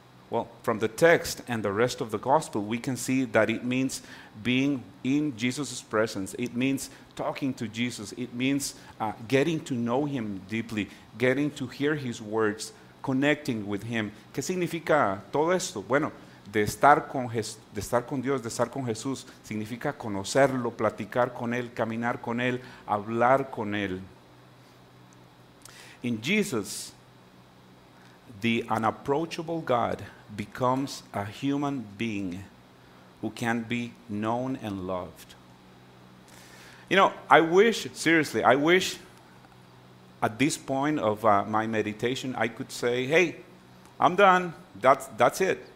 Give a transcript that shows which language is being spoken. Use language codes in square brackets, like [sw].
[en] Well, from the text and the rest of the gospel, we can see that it means being in Jesus' presence. It means talking to Jesus. It means getting to know him deeply, getting to hear his words, connecting with him. [es] ¿Qué significa todo esto? Bueno, de estar con Dios, de estar con Jesús, significa conocerlo, platicar con él, caminar con él, hablar con él. [en] In Jesus, the unapproachable God becomes a human being who can be known and loved. You know, I wish at this point of my meditation, I could say, hey, I'm done. That's it.